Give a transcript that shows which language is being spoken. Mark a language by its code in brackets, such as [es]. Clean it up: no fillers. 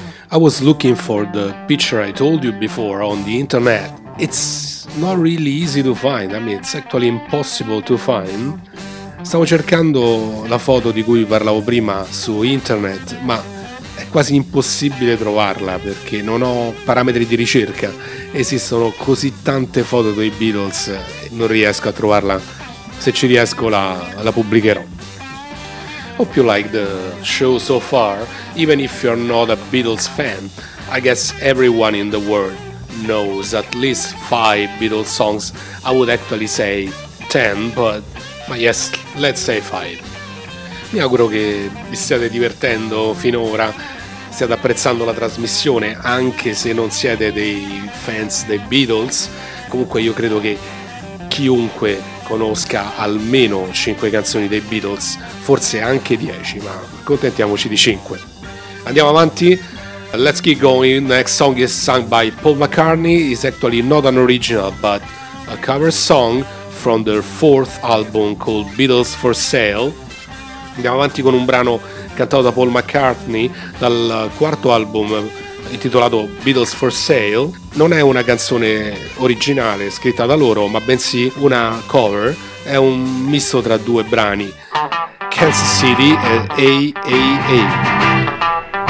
[en] I was looking for the picture I told you before on the internet. It's not really easy to find, I mean, it's actually impossible to find. [it] Stavo cercando la foto di cui parlavo prima su internet, ma è quasi impossibile trovarla perché non ho parametri di ricerca. Esistono così tante foto dei Beatles e non riesco a trovarla. Se ci riesco la pubblicherò. [en] Hope you like the show so far. Even if you're not a Beatles fan, I guess everyone in the world knows at least 5 Beatles songs. I would actually say 10, but yes, let's say 5. [it] Mi auguro che vi stiate divertendo finora, stiate apprezzando la trasmissione, anche se non siete dei fans dei Beatles. Comunque io credo che chiunque conosca almeno 5 canzoni dei Beatles, forse anche 10, ma accontentiamoci di 5. Andiamo avanti, [en] let's keep going. Next song is sung by Paul McCartney, is actually not an original but a cover song from their 4th album called Beatles for Sale. [it] Andiamo avanti con un brano cantato da Paul McCartney dal 4º album intitolato Beatles for Sale. Non è una canzone originale scritta da loro, ma bensì una cover. È un misto tra 2 brani, Kansas City e AAA.